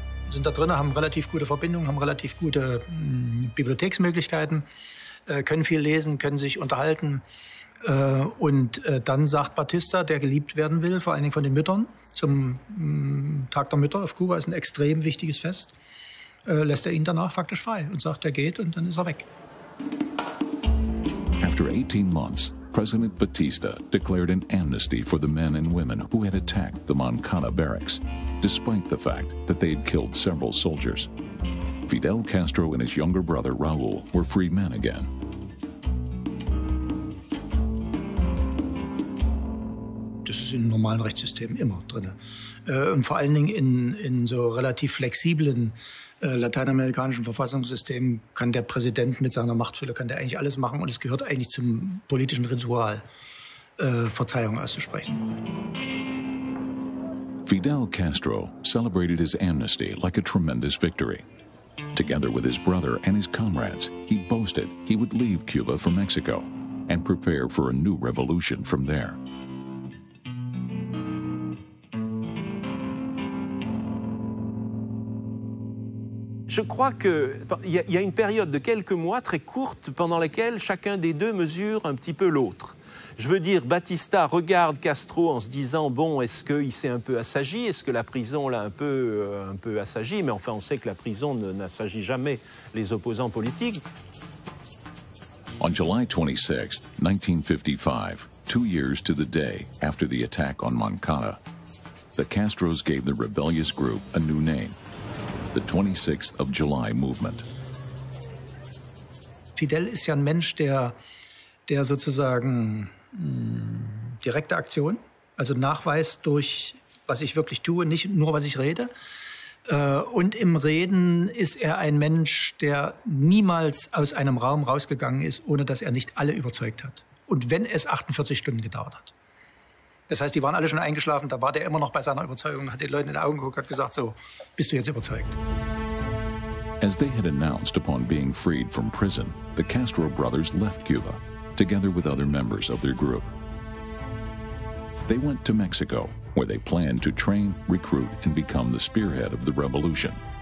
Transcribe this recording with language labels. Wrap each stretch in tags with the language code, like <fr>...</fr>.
<de>Sind da drin, haben relativ gute Verbindungen, haben relativ gute Bibliotheksmöglichkeiten, können viel lesen, können sich unterhalten. Und dann sagt Batista, der geliebt werden will, vor allen Dingen von den Müttern, zum Tag der Mütter auf Kuba, ist ein extrem wichtiges Fest, lässt er ihn danach faktisch frei und sagt, er geht und dann ist er weg.</de> <en>After 18 months, President Batista declared an amnesty for the men and women who had attacked the Moncada barracks, despite the fact that they had killed several soldiers. Fidel Castro and his younger brother Raul were free men again.</en> <de>Das ist in normalen Rechtssystemen immer drin. Und vor allen Dingen in so relativ flexiblen lateinamerikanischen Verfassungssystemen kann der Präsident mit seiner Machtfülle kann der eigentlich alles machen. Und es gehört eigentlich zum politischen Ritual, Verzeihung auszusprechen.</de> <en>Fidel Castro celebrated his amnesty like a tremendous victory. Together with his brother and his comrades, he boasted he would leave Cuba for Mexico and prepare for a new revolution from there.</en> <fr>Je crois que il y a une période de quelques mois très courte pendant laquelle chacun des deux mesure un petit peu l'autre. Je veux dire, Batista regarde Castro en se disant, bon, est-ce qu'il s'est un peu assagi? Est-ce que la prison l'a un peu assagi? Mais enfin, on sait que la prison n'assagit jamais les opposants politiques.</fr> <en>On July 26th, 1955, 2 years to the day after the attack on Moncada, the Castros gave the rebellious group a new name, the 26th of July movement.</en> <de>Fidel ist ja ein Mensch, der sozusagen direkte Aktion, also Nachweis durch, was ich wirklich tue, nicht nur, was ich rede. Und im Reden ist er ein Mensch, der niemals aus einem Raum rausgegangen ist, ohne dass er nicht alle überzeugt hat. Und wenn es 48 Stunden gedauert hat. Das heißt, die waren alle schon eingeschlafen, da war der immer noch bei seiner Überzeugung, hat den Leuten in die Augen geguckt, hat gesagt, so, bist du jetzt überzeugt?</de> <en>As they had announced upon being freed from prison, the Castro brothers left Cuba, together with other members of their group. They went to Mexico, where they planned to train, recruit, and become the spearhead of the revolution.</en>